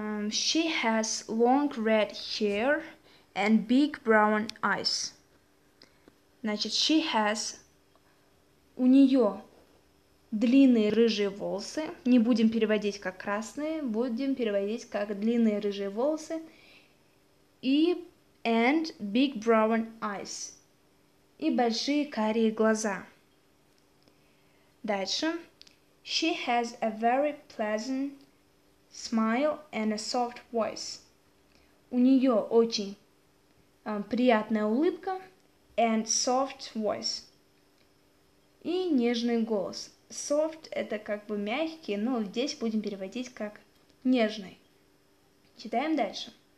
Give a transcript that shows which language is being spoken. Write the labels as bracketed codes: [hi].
[en] She has long red hair and big brown eyes. [ru] Значит, [en] she has... [ru] У нее длинные рыжие волосы. Не будем переводить как красные, будем переводить как длинные рыжие волосы. И... [en] And big brown eyes. [ru] И большие карие глаза. Дальше. [en] She has a very pleasant smile and a soft voice. [ru] У нее очень приятная улыбка. [en] And soft voice. [ru] И нежный голос. Soft – это как бы мягкий, но здесь будем переводить как нежный. Читаем дальше.